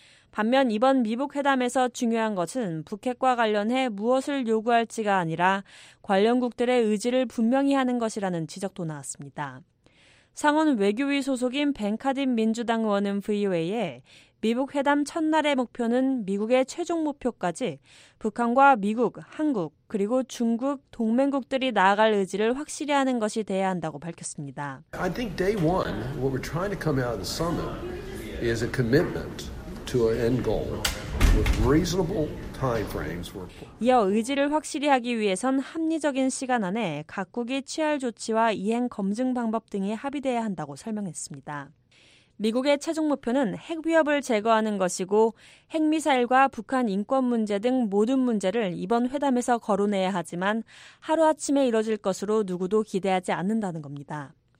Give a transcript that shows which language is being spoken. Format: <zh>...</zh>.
<ko>반면 이번 미북 회담에서 중요한 것은 북핵과 관련해 무엇을 요구할지가 아니라 관련국들의 의지를 분명히 하는 것이라는 지적도 나왔습니다. 상원 외교위 소속인 벤카딘 민주당 의원은 VOA에 미북 회담 첫날의 목표는 미국의 최종 목표까지 북한과 미국, 한국, 그리고 중국, 동맹국들이 나아갈 의지를 확실히 하는 것이 돼야 한다고 밝혔습니다.</ko> <en>I think day one, what we're trying to come out of the summit is a commitment to an end goal with reasonable time frames.</en> <ko>이어 의지를 확실히 하기 위해선 합리적인 시간 안에 각국이 취할 조치와 이행 검증 방법 등이 합의돼야 한다고 설명했습니다. 미국의 최종 목표는 핵 위협을 제거하는 것이고 핵미사일과 북한 인권 문제 등 모든 문제를 이번 회담에서 거론해야 하지만 하루아침에 이뤄질 것으로 누구도 기대하지 않는다는 겁니다.</ko>